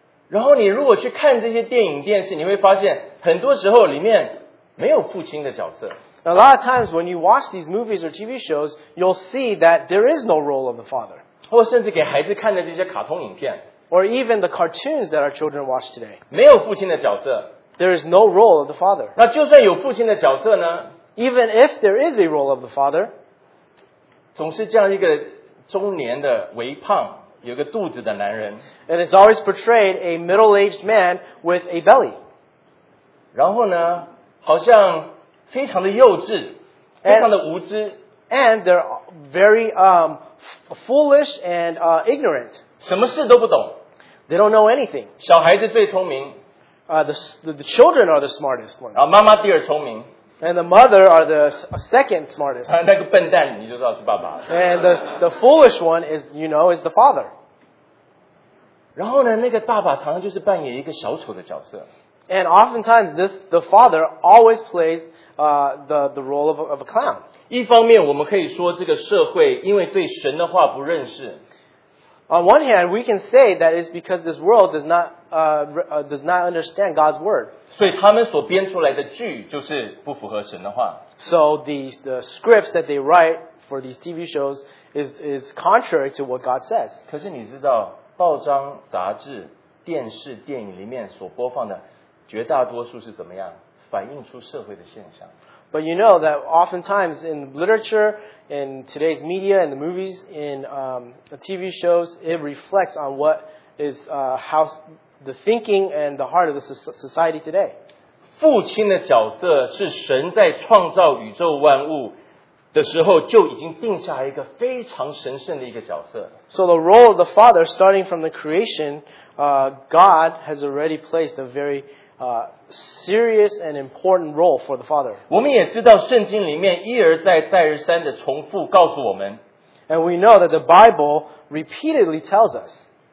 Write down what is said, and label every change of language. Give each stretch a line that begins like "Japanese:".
Chinese: 然后你如果去看这些电影电视，你会发现很多时候里面没有父亲的角色。
English: A lot of times when you watch these movies or TV shows, you'll see that there is no role of the father.
Chinese: 或甚至给孩子看的这些卡通影片。
English: Or even the cartoons that our children watch today.
Chinese: 没有父亲的角色。
English: There is no role of the father.
Chinese: 那就算有父亲的角色呢？
English: Even if there is a role of the father,
Chinese: 总是这样一个中年的微胖。有个肚子的男人
English: ，and it's always portrayed a middle-aged man with a belly.
Chinese: 然后呢，好像非常的幼稚，
English: and,
Chinese: 非常的无知
English: ，and they're very foolish and ignorant.
Chinese: 什么事都不懂
English: ，they don't know anything.
Chinese: 小孩子最聪明
English: the children are the smartest one.
Chinese: 然后妈妈第二聪明。
English: And the mother are the second smartest.
Chinese: 那个笨蛋你就知道是爸爸了。
English: And the foolish one is, you know, is the father.
Chinese: 然后呢，那个爸爸常常就是扮演一个小丑的角色。
English: And oftentimes, the father always plays the role of a clown.
Chinese: 一方面，我们可以说这个社会因为对神的话不认识。
English: On one hand, we can say that it's because this world does not understand God's word.
Chinese: 所以他们所编出来的剧就是不符合神的话。
English: So the scripts that they write for these TV shows is contrary to what God says.
Chinese: 可是你知道，报章、杂志、电视、电影里面所播放的绝大多数是怎么样？反映出社会的现象。
English: But you know that oftentimes in literature, in today's media, in the movies, in the TV shows, it reflects on what is how the thinking and the heart of the society today.
Chinese: 父亲的角色是神在创造宇宙万物的时候就已经定下一个非常神圣的一个角色。
English: So the role of the father, starting from the creation, God has already placed a very serious and important role for the father.
Chinese: 我们也知道圣经里面一而再再而三的重复告诉我们。
English: And we know that the Bible repeatedly tells us.